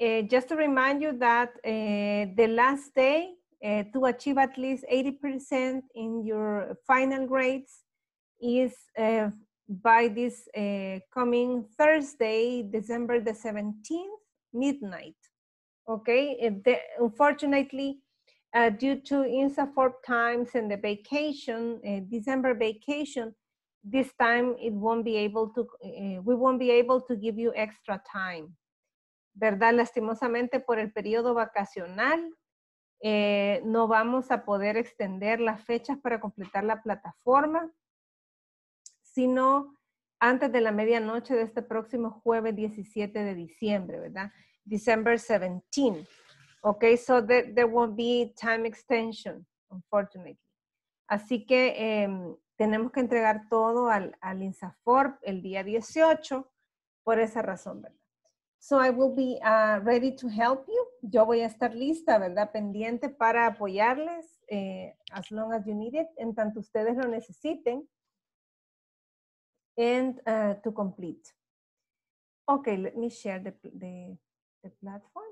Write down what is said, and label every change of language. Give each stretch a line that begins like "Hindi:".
English: Just to remind you that the last day to achieve at least 80% in your final grades is by this coming Thursday, December the 17th, midnight. Okay, unfortunately, due to INSAFORP times and the vacation, December vacation, this time it won't be able to, we won't be able to give you extra time.
Spanish: ¿Verdad? Lastimosamente por el periodo vacacional, no vamos a poder extender las fechas para completar la plataforma, sino antes de la medianoche de este próximo jueves 17 de diciembre, ¿verdad?
English: December 17. Okay, so there won't be time extension, unfortunately.
Spanish: Así que tenemos que entregar todo al INSAFORP el día 18 por esa razón, ¿verdad?
English: So I will be ready to help you.
Spanish: Yo voy a estar lista, ¿verdad? Pendiente para apoyarles
English: as long as you need it,
Spanish: en tanto ustedes lo necesiten.
English: And to complete. Okay, let me share the platform.